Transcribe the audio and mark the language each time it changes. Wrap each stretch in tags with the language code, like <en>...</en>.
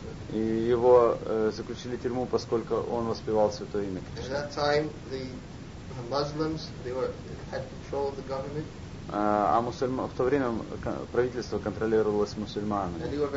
<ru>И его заключили в тюрьму, поскольку он воспевал святое имя Кришны.</ru> <en>At that time the Muslims had control of the government.</en> <ru>А в то время правительство контролировалось мусульманами.</ru>